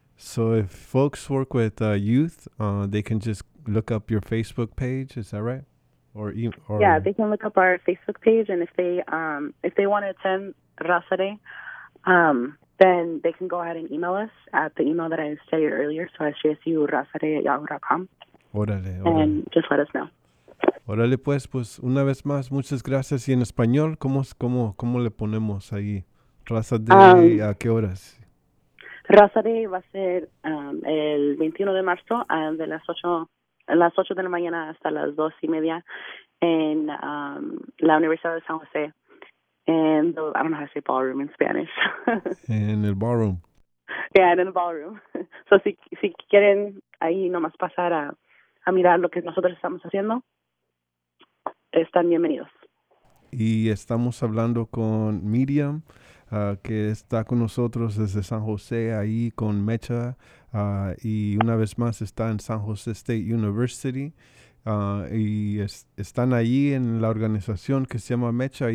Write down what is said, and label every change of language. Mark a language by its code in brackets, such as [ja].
[en] So if folks work with youth, they can just look up your Facebook page. Is that right? Yeah, they can look up our Facebook page. And if they want to attend Raza Day, then they can go ahead and email us at the email that I said earlier. So sjsurazade@yahoo.com. [es] Orale, [en] orale. And just let us know. [es] Órale, pues, pues, una vez más, muchas gracias. Y en español, ¿cómo le ponemos ahí? Raza de, ¿a qué horas? Raza de va a ser el 21 de marzo, de las 8 de la mañana hasta las 2:30 en la Universidad de San José. [en] En, I don't know how to say ballroom in Spanish. [es] En el ballroom. [en] Yeah, in the ballroom. [es] So si quieren ahí nomás pasar a mirar lo que nosotros estamos haciendo, están bienvenidos. Y estamos hablando con Miriam, que está con nosotros desde San José, ahí con Mecha, y una vez más está en San José State University, y están ahí en la organización que se llama Mecha.